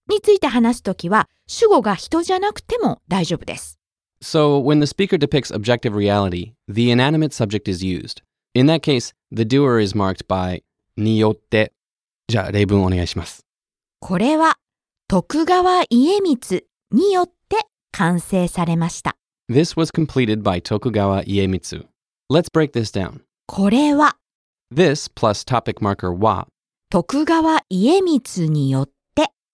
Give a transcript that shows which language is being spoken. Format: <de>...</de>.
<ja>について話すときは、主語が人じゃなくても大丈夫です。</ja> <en>So, when the speaker depicts objective reality, the inanimate subject is used. In that case, the doer is marked by によって。</en> <ja>じゃあ例文お願いします。これは徳川家光によって完成されました。</ja> <en>This was completed by 徳川家光。Let's break this down.</en> <ja>これは</ja> <en>This plus topic marker は</en> <ja>徳川家光によって</ja>